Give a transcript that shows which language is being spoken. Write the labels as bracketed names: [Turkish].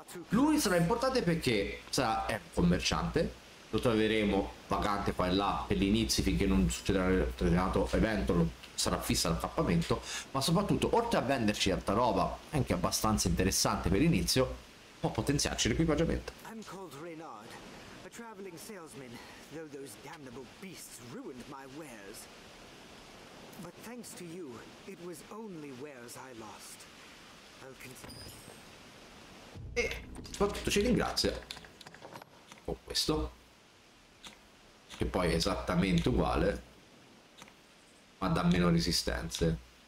[Italian] Lui sarà importante perché sarà un commerciante. Lo troveremo vagante qua e là per gli inizi, finché non succederà un determinato evento, sarà fissa l'accappamento. Ma soprattutto, oltre a venderci tanta roba, anche abbastanza interessante per l'inizio, può potenziarci l'equipaggiamento. [English] I'm called Reynard, a traveling salesman, though those damnable beasts ruined my wares. But thanks to you, it was only wares I lost. I'll continue. [Italian] E soprattutto ci ringrazia con questo, che poi è esattamente uguale ma dà meno resistenze.